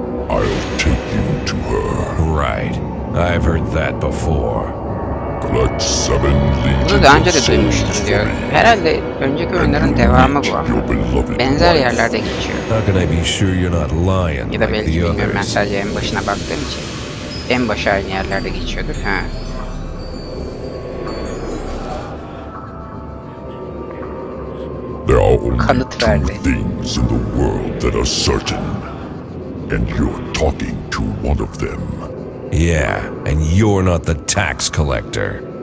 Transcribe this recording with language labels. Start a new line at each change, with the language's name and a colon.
English: I'll take you to her. Right. I've heard that before. Collect seven legions.
Turkish: Bunu daha önce de duymuştum diyor. Herhalde önceki oyunların devamı bu. Benzer yerlerde geçiyor.
English: How can I be sure you're not lying?
Turkish: Ya da belki bilmiyorum, ben sadece en başına baktığım için. En başa aynı yerlerde geçiyordur. Ha.
English: There are only two things in the world that are certain. And you're talking to one of them. Yeah, and you're not the tax collector.